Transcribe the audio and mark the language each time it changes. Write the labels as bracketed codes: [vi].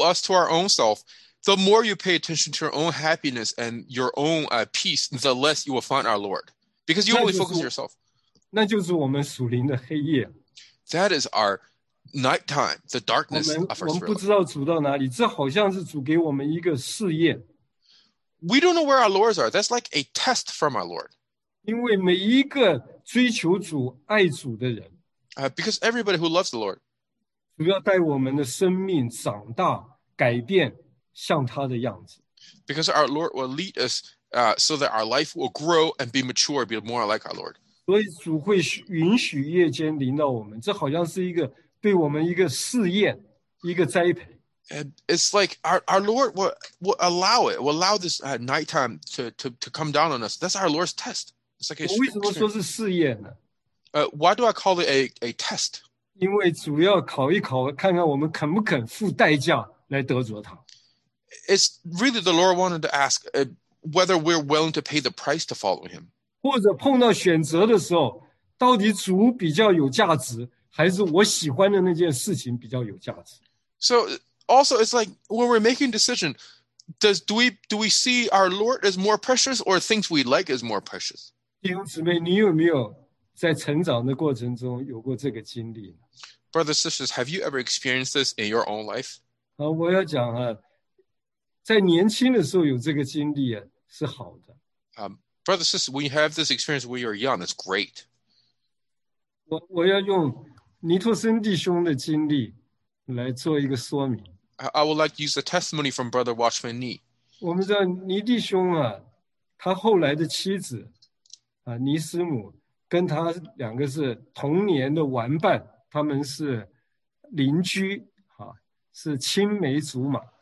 [en] us, to our own self, the more you pay attention to your own happiness and your own peace, the less you will find our Lord, because you only focus yourself. [zh] 那就是我们属灵的黑夜。 [en] That is our nighttime, the darkness of our spirit. [zh] 我们不知道主到哪里，这好像是主给我们一个试验。 [en] We don't know where our Lords are. That's like a test from our Lord. [zh] 因为每一个追求主、爱主的人 [en] ，because everybody who loves the Lord, [zh] 主要带我们的生命长大、改变像他的样子。 [en] Because our Lord will lead us, so that our life will grow and be mature, be more like our Lord. [zh] 所以主会允许夜间临到我们，这好像是一个对我们一个试验、一个栽培。 [en] And it's like our Lord will allow it, will allow this nighttime to come down on us. That's our Lord's test. It's like a [zh] 我为什么说是试验呢？ [en] Why do I call it a test? [zh] 因为主要考一考，看看我们肯不肯付代价来得着他。 [en] It's really the Lord wanted to ask whether we're willing to pay the price to follow him. [zh] 或者碰到选择的时候，到底主比较有价值，还是我喜欢的那件事情比较有价值？ [en] So also it's like when we're making decision, do we see our Lord as more precious or things we like as more precious? [zh] 弟兄姊妹，你有没有在成长的过程中有过这个经历？ [en] Brothers, sisters, have you ever experienced this in your own life? [zh] 我要讲啊，在年轻的时候有这个经历啊，是好的。 [en] Brothers, sisters, when you have this experience when you're young, it's great. [zh] 我要用尼托森弟兄的经历来做一个说明。 [en] I would like to use a testimony from Brother Watchman Nee. [zh] 我们知道尼弟兄啊，他后来的妻子啊，尼师母跟他两个是童年的玩伴，他们是邻居啊，是青梅竹马。